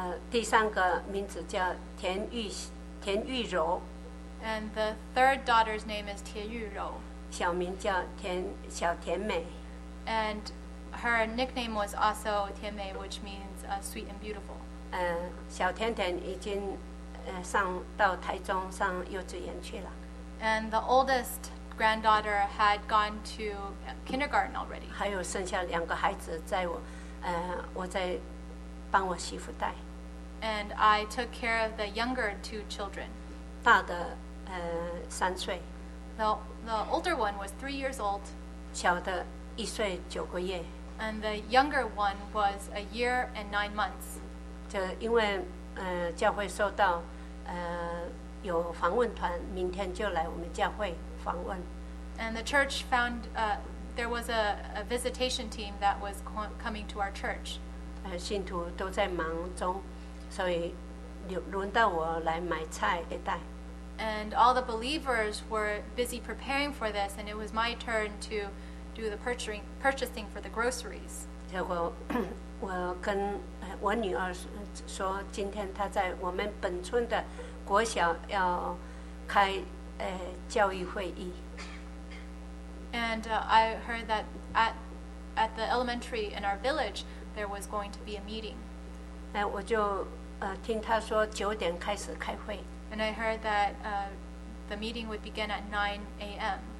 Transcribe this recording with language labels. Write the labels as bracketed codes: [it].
[zh] 第三个名字叫田玉柔。 [en] And the third daughter's name is 田玉柔。 [zh] 小名叫小甜美。 [en] And her nickname was also 甜美 which means sweet and beautiful. [zh] 小甜甜已经上到台中上幼稚园去了。 [en] And the oldest granddaughter had gone to kindergarten already. [zh] 还有剩下两个孩子在我，我在帮我媳妇带。 [en] And I took care of the younger two children. [zh] 大的，三岁。 [en] The older one was 3 years old. [zh] 小的一岁九个月。 [en] And the younger one was 1 year and 9 months. [zh] 这因为，教会收到，有访问团，明天就来我们教会。 [en] And the church found there was a visitation team that was coming to our church. [zh] 信徒都在忙中，所以轮到我来买菜一带。 [en] And all the believers were busy preparing for this, and it was my turn to do the purchasing for the groceries. [zh] 结果我跟我女儿说，今天她在我们本村的国小要开。教育会议。 [en] And I heard that at the elementary in our village, there was going to be a meeting. [zh] 我就听他说九点开始开会。 [en] And I heard that the meeting would begin at 9 a.m.